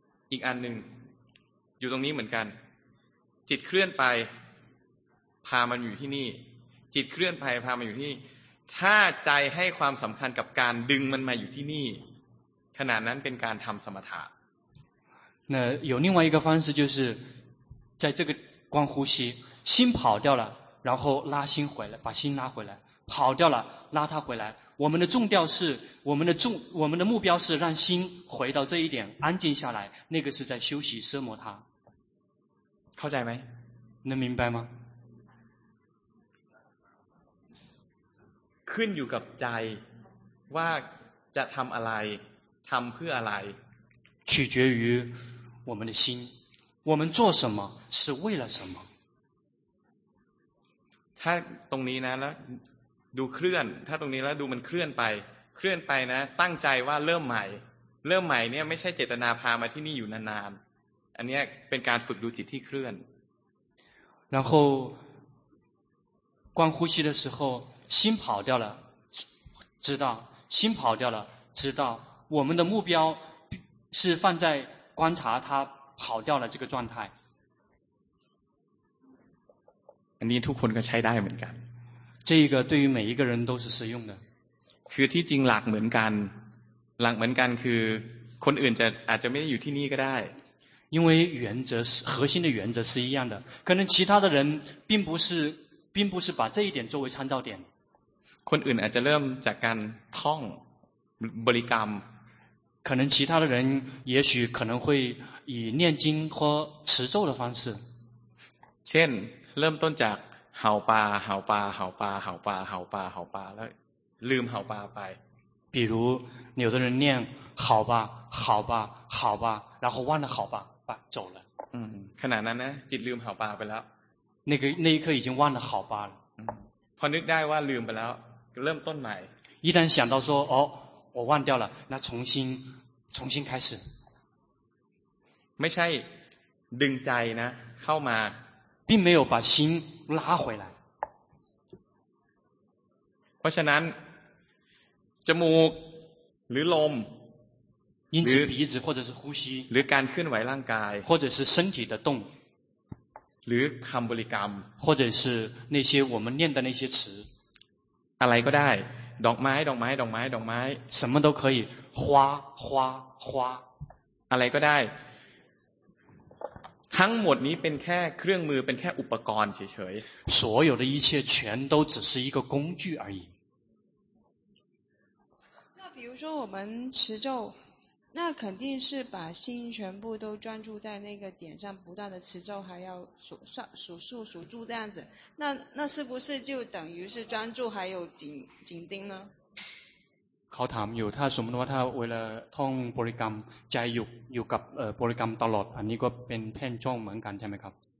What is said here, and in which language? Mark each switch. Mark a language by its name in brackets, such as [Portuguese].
[Thai] อีกอันหนึ่งอยู่ตรงนี้เหมือนกันจิตเคลื่อนไปพามันอยู่ที่นี่จิตเคลื่อนไปพามันอยู่ที่ถ้าใจให้ความสำคัญกับการดึงมันมาอยู่ที่นี่ขณะนั้นเป็นการทำสมถะ [Chinese] 那有另外一个方式就是在这个观呼吸心跑掉了然后拉心回来把心拉回来跑掉了拉它回来我们的重调是我们的目标是让心回到这一点安静下来那个是在休息奢摩他靠在没能明白吗 [Thai] ขึ้นอยู่กับใจว่าจะทำอะไรทำเพื่ออะไร [Chinese] 取决于我们的心我们做什么是为了什么 [Thai] ถ้าตรงนี้นะแล้วดูเคลื่อนถ้าตรงนี้แล้วดูมันเคลื่อนไปเคลื่อนไปนะตั้งใจว่าเริ่มใหม่เริ่มใหม่เนี่ยไม่ใช่เจตนาพามาที่นี่อยู่นานๆอันนี้เป็นการฝึกดูจิตที่เคลื่อน [Chinese] 然后观呼吸的时候心跑掉了知道心跑掉了知道我们的目标是放在观察它跑掉了这个状态 [Thai] อันนี้ทุกคนก็ใช้ได้เหมือนกัน [Chinese] 这个对于每一个人都是适用的 [Thai] คือที่จริงหลักเหมือนกันหลักเหมือนกันคือคนอื่นจะอาจจะไม่อยู่ที่นี่ก็ได้ [Chinese] 因为原则核心的原则是一样的可能其他的人并不是把这一点作为参照点 [Thai] คนอื่นอาจจะเริ่มจากการท่องบริกรรม [Chinese] 可能其他的人也许可能会以念经或持咒的方式 [Thai] เช่นเริ่มต้นจากเห่าปลาเห่าปลาเห่าปลาเห่าปลาเห่าปลาเห่าปลาแล้วลืมเห่าปลาไป [Chinese] 比如有的人念好吧好吧好吧然后忘了好吧吧走了 [Thai] ขณะนั้นนะจิตลืมเห่าปลาไปแล้ว [Chinese] 那一刻已经忘了好吧了 [Thai] พอนึกได้ว่าลืมไปแล้วเริ่มต้นใหม่ [Chinese] 一旦想到说哦我忘掉了那重新开始 [Thai] ไม่ใช่ดึงใจนะเข้ามา [Chinese] 并没有把心拉回来 [Thai] เพราะฉะนั้นจมูกหรือลม [Chinese] 因此鼻子或者是呼吸 [Thai] หรือการเคลื่อนไหวร่างกาย [Chinese] 或者是身体的动 [Thai] หรือคำบริกรรม [Chinese] 或者是那些我们念的那些词 [Thai] อะไรก็ได้ดอกไม้ดอกไม้ดอกไม้ดอกไม้ [Chinese] 什么都可以花花花 [Thai] อะไรก็ได้ทั้งหมดนี้เป็นแค่เครื่องมือเป็นแค่อุปกรณ์เฉย [Chinese] ๆ所有的一切全都只是一个工具而已那比如说我们持咒那肯定是把心全部都专注在那个点上不断的持咒还要数算数数数住这样子那那是不是就等于是专注还有紧紧盯呢考堂有他什么的话他为了通 [Thai] บริกรรมใจอยู่อยู่กับบริกรรมตลอดอันนี้ก็เป็นเพ่งจ้องเหมือนกันใช่ไหมครับ